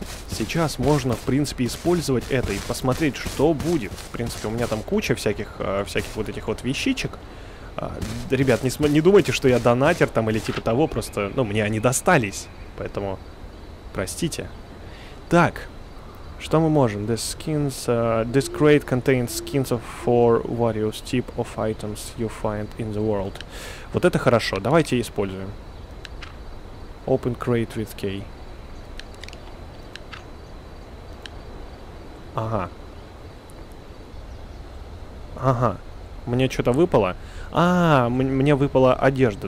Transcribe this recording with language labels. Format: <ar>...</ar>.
<ru>Сейчас можно, в принципе, использовать это и посмотреть, что будет. В принципе, у меня там куча всяких, всяких вот этих вот вещичек. Ребят, не думайте, что я донатер там или типа того, просто, ну, мне они достались. Поэтому, простите. Так, что мы можем?</ru> <en>The skins, this crate contains skins of four various type of items you find in the world.</en> <ru>Вот это хорошо, давайте используем.</ru> <en>Open crate with key.</en> <ru>Ага. Ага. Мне что-то выпало? А, мне выпала одежда.</ru>